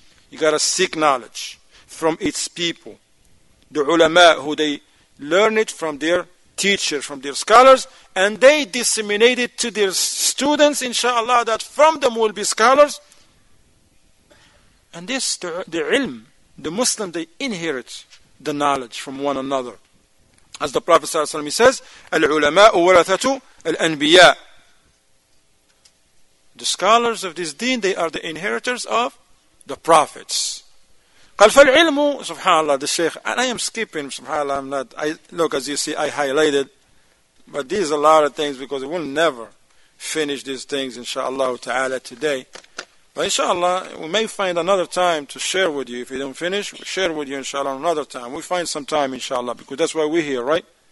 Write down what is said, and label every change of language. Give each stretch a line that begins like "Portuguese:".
English: You gotta seek knowledge from its people. The ulama, who they learn it from their teachers, from their scholars, and they disseminate it to their students, inshallah, that from them will be scholars. And this, the ilm, the Muslim, they inherit the knowledge from one another. As the Prophet
Arabic: صلى الله عليه وسلم
English: says,
Arabic: العلماء ورثة الأنبياء.
English: The scholars of this deen, they are the inheritors of the prophets.
Arabic: قال فالعلم سبحان الله
English: the Sheikh and I am skipping
Arabic: سبحان الله
English: I'm not I look as you see I highlighted but these are a lot of things because we'll never finish these things inshallah ta'ala today but inshallah we may find another time to share with you if you don't finish we'll share with you inshallah another time we'll find some time inshallah because that's why we're here right